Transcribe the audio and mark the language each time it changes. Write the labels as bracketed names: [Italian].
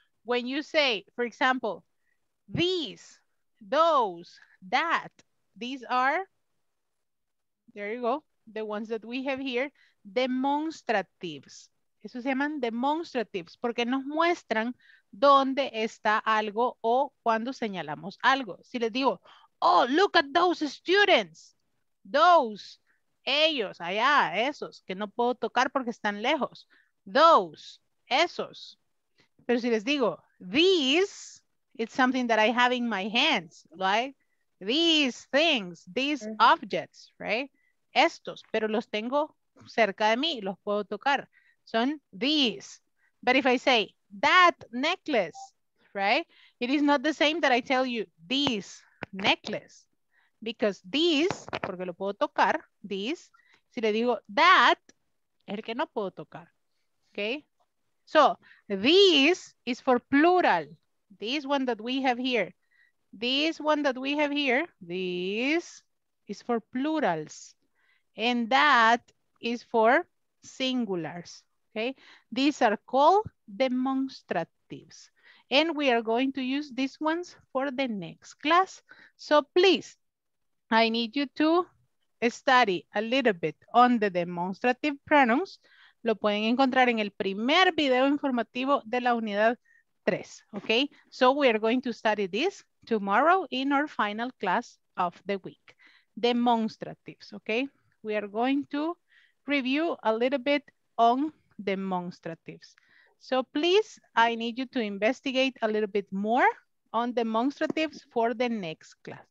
[English] When you say, for example, these, those, that, these are, there you go, the ones that we have here, demonstratives. [Spanish] Eso se llaman demonstratives porque nos muestran dónde está algo o cuando señalamos algo. Si les digo, [English] oh, look at those students. [Spanish] Those, ellos, allá, esos, que no puedo tocar porque están lejos. [English] Those, [Spanish] esos. Pero si les digo, [English] these, it's something that I have in my hands, right? These things, these objects, right? [Spanish] Estos, pero los tengo cerca de mí, los puedo tocar. Son [English] these. But if I say, that necklace, right? It is not the same that I tell you, these. Necklace, because these, [Spanish] porque lo puedo tocar, these, si le digo that, es el que no puedo tocar, okay? [English] So, these is for plural, this one that we have here, this one that we have here, this is for plurals. And that is for singulars. Okay. These are called demonstratives. And we are going to use these ones for the next class. So please, I need you to study a little bit on the demonstrative pronouns. [Spanish] Lo pueden encontrar en el primer video informativo de la unidad 3. [English] Okay. So we are going to study this tomorrow in our final class of the week. Demonstratives. Okay. We are going to review a little bit on demonstratives. So please, I need you to investigate a little bit more on demonstratives for the next class.